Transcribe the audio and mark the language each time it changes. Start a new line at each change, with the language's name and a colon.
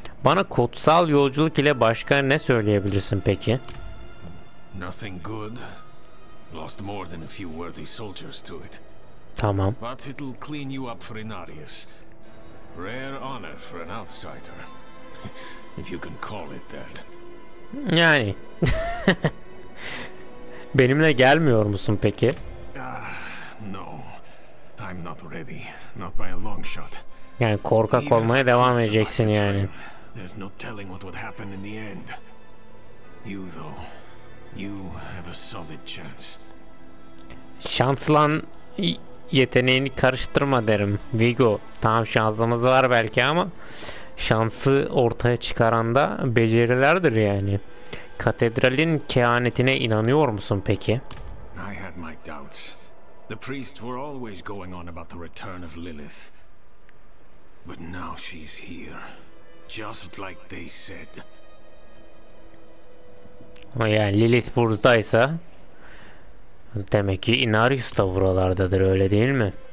Turkish: Bana kutsal yolculuk ile başka ne söyleyebilirsin peki?
English: Nothing good. Lost more than a few worthy soldiers to it.
Turkish: Tamam.
English: But it'll clean you up for Inarius. Rare honor for an outsider. If you can call it that.
Turkish: Yani. Benimle gelmiyor musun peki?
English: No. I'm not ready. Not by a long shot.
Turkish: Yani korkak olmaya devam edeceksin yani.
English: There's no telling what would happen in the end. You though, you have a solid chance.
Turkish: Şanslan yeteneğini karıştırma derim Vigo. Tamam, şansımız var belki ama şansı ortaya çıkaran da becerilerdir yani. Katedralin kehanetine inanıyor musun peki?
English: I had my doubts. The priests were always going on about the return of Lilith. But now she's here, just like they said.
Turkish: Ama yani Lilith buradaysa demek ki Inarius da buralardadır, öyle değil mi?